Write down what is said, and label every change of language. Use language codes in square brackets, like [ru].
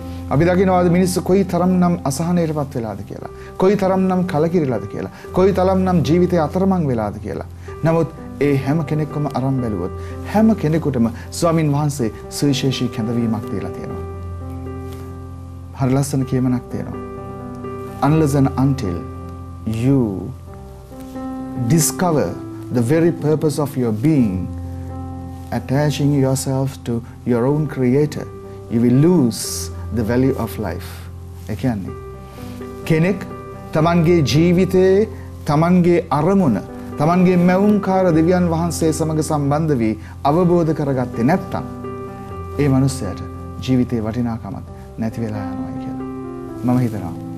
[si] අපි දකිනවා අද මිනිස්සු කොයි තරම්නම් අසහනයට පත් වෙලාද කියලා, කොයි තරම්නම් කලකිරිලාද කියලා, කොයි තරම්නම් ජීවිතය අතරමං වෙලාද කියලා. නමුත් ඒ හැම කෙනෙක්ම අරන් බැලුවොත් හැම කෙනෙකුටම ස්වාමින් වහන්සේ සුවිශේෂී කැඳවීමක් දීලා තියෙනවා. හරි ලස්සන කියමනක් තියෙනවා. [en] Unless and until you discover the very purpose of your being, attaching yourself to your own creator, you will lose the value of life. [si] ඒ කියන්නේ කෙනෙක් තමන්ගේ ජීවිතයේ තමන්ගේ අරමුණ තමන්ගේ මැවුම්කාර දෙවියන් වහන්සේ සමඟ සම්බන්ධ වී අවබෝධ කරගත්තේ නැත්තම් ඒ මනුස්සයාට ජීවිතේ වටිනාකමක් නැති වෙලා යනවායි කියලා මම හිතනවා.